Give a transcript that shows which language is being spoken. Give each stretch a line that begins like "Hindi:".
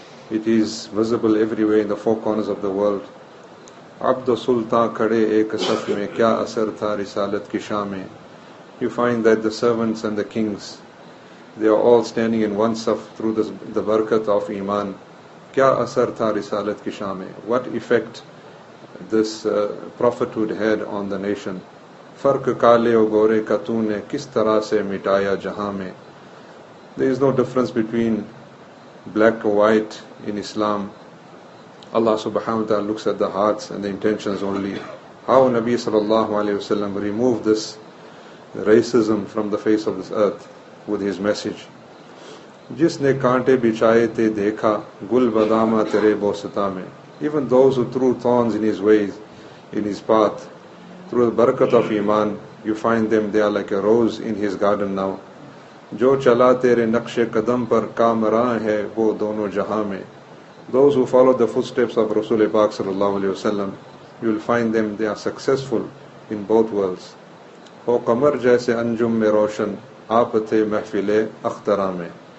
English: It is visible everywhere in the four corners of the world.
Urdu: عبد سلطان کھڑے ایک صف میں، کیا اثر تھا رسالت کی شام میں.
English: You find that the servants and the kings, they are all standing in one saf through the barakat of Iman.
Urdu: Kya asar tha risalat ki shaam mein?
English: What effect this prophethood had on the nation?
Urdu: Fark kaale o gore ka tune kis tarah se mitaya jahan mein?
English: There is no difference between black or white in Islam. Allah subhanahu wa ta'ala looks at the hearts and the intentions only. How Nabi sallallahu alayhi wa sallam removed this racism from the face of this earth with his message.
Urdu: جس نے کانٹے بچھائے تھے دیکھا گل بادامہ تیرے بوستا میں.
English: Even those who threw thorns in his ways, in his path, through the barakat of Iman, you find them, they are like a rose in his garden now.
Urdu: جو چلا تیرے نقش قدم پر کامران ہے وہ دونوں جہاں میں.
English: Those who follow the footsteps of رسول پاک صلی اللہ علیہ وسلم, you will find them, they are successful in both worlds.
Urdu: ہو قمر جیسے انجم میں روشن آپ تھے محفل اختراں میں.